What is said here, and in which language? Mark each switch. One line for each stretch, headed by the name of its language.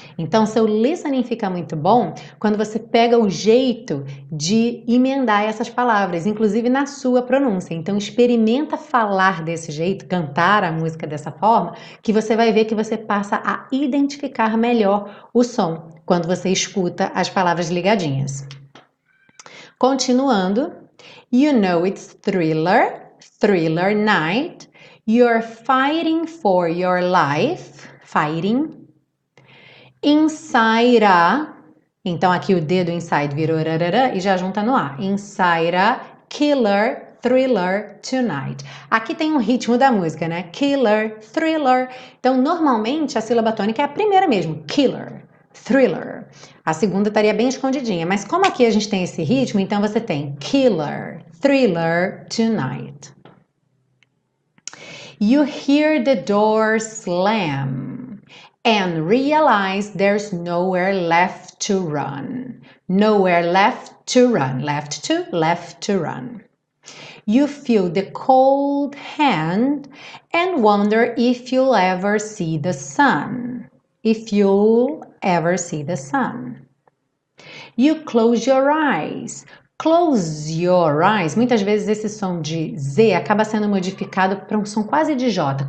Portuguese: Então, seu listening fica muito bom quando você pega o jeito de emendar essas palavras, inclusive na sua pronúncia. Então, experimenta falar desse jeito, cantar a música dessa forma, que você vai ver que você passa a identificar melhor o som quando você escuta as palavras ligadinhas.
English: Continuando, you know it's thriller. Thriller night, you're fighting for your life, fighting, inside a,
Portuguese: então aqui o dedo inside virou rarara e já junta no A,
English: inside a killer thriller tonight.
Portuguese: Aqui tem um ritmo da música, né? Killer, thriller. Então, normalmente a sílaba tônica é a primeira mesmo, killer. Thriller. A segunda estaria bem escondidinha, mas como aqui a gente tem esse ritmo, então você tem
English: killer, thriller tonight. You hear the door slam and realize there's nowhere left to run. Nowhere left to run. Left to run. You feel the cold hand and wonder if you'll ever see the sun. If you'll ever see the sun. You close your eyes. Close your eyes.
Portuguese: Muitas vezes esse som de Z acaba sendo modificado para um som quase de J.